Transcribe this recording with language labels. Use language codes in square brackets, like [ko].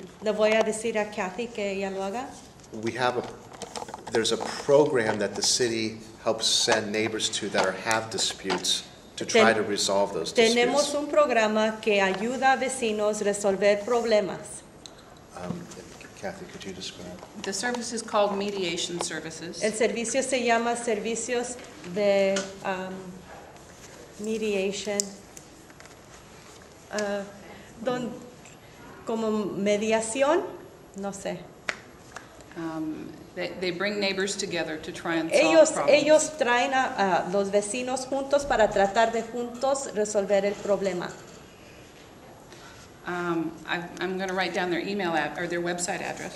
[es] Le voy a decir a Kathy que ella lo haga. [en] We have there's a program that the city helps send neighbors to that have disputes to try to resolve those disputes. [es] Tenemos un programa que ayuda a vecinos resolver problemas. [en] Kathy, could you describe? The service is called mediation services. [es] El servicio se llama servicios de mediation. Como mediación, no sé. [en] They bring neighbors together to try and [es] ellos, [en] solve problems. [es] Ellos traen a los vecinos juntos para tratar de juntos resolver el problema. [en] I'm going to write down their email app or their website address.